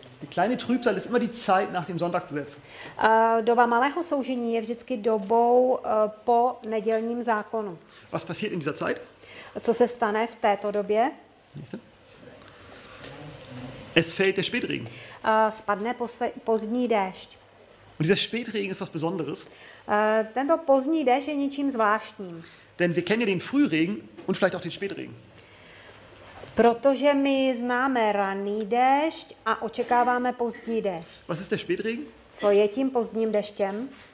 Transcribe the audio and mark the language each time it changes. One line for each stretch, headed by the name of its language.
German: Die kleine Trübsal ist immer die Zeit nach dem Sonntagsgesetz.
Czech: Doba malého soužení je vždycky dobou po nedělním zákonu.
German: Was passiert in dieser Zeit?
Czech: Co se stane v této době?
German: Es fällt der Spätregen.
Czech: Spadne pozdní déšť.
German: Und dieser Spätregen ist was Besonderes.
Czech: Tento pozdní déšť je něčím zvláštním.
German: Denn wir kennen ja den Frühregen und vielleicht auch den Spätregen.
Czech: Protože my známe ranný déšť a očekáváme pozdní déšť.
German: Was ist der Spätregen?
Czech: Co je tím pozdním deštěm?